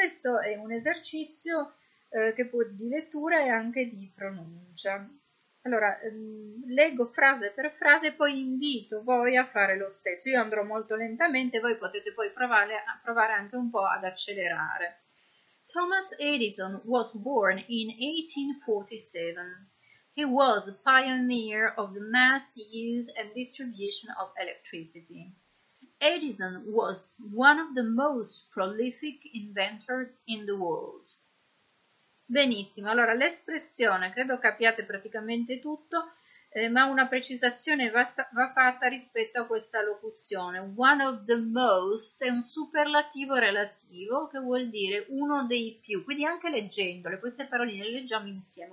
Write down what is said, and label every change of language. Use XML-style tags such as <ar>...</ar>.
<it>Questo è un esercizio che può di lettura e anche di pronuncia. Allora, leggo frase per frase, poi invito voi a fare lo stesso. Io andrò molto lentamente, voi potete poi provare anche un po' ad accelerare.</it> <en>Thomas Edison was born in 1847. He was a pioneer of the mass use and distribution of electricity. Edison was one of the most prolific inventors in the world.</en> <it>Benissimo, allora l'espressione, credo capiate praticamente tutto, ma una precisazione va fatta rispetto a questa locuzione.</it> <en>One of the most</en> <it>è un superlativo relativo che vuol dire uno dei più, quindi anche leggendole, queste paroline le leggiamo insieme.</it>